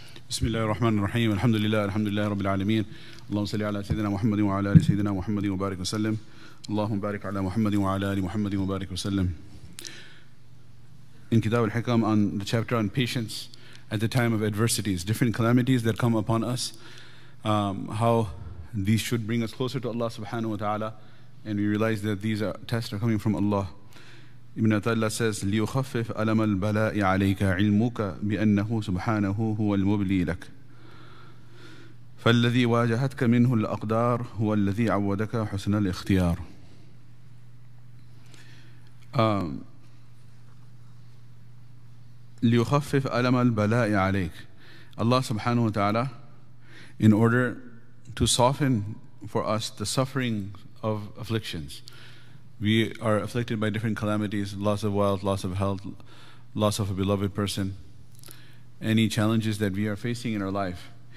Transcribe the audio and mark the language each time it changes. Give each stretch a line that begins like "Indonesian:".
Arabic: بسم الله الرحمن الرحيم الحمد لله الحمد لله رب العالمين اللهم صل على سيدنا محمد وعلى آل سيدنا محمد وبارك وسلم اللهم بارك على محمد وعلى آل محمد وبارك وسلم.
English: In Kitab al-Hikam, on the chapter on patience at the time of adversities, different calamities that come upon us, how these should bring us closer to Allah subhanahu wa ta'ala, and we realize that these are tests are coming from Allah.
Arabic: Ibn Atallah says, لِيُخَفِّفْ أَلَمَ الْبَلَاءِ عَلَيْكَ عِلْمُكَ بِأَنَّهُ سُبْحَانَهُ هُوَ الْمُبْلِي لَكَ فَالَّذِي وَاجَهَتْكَ مِنْهُ الْأَقْدَارُ هُوَ الَّذِي عَوَّدَكَ حُسْنَ الْإِخْتِيَارُ. لِيُخَفِّفْ أَلَمَ الْبَلَاءِ عَلَيْكَ.
English: Allah subhanahu wa ta'ala, in order to soften for us the suffering of afflictions. We are afflicted by different calamities, loss of wealth, loss of health, loss of a beloved person, any challenges that we are facing in our life.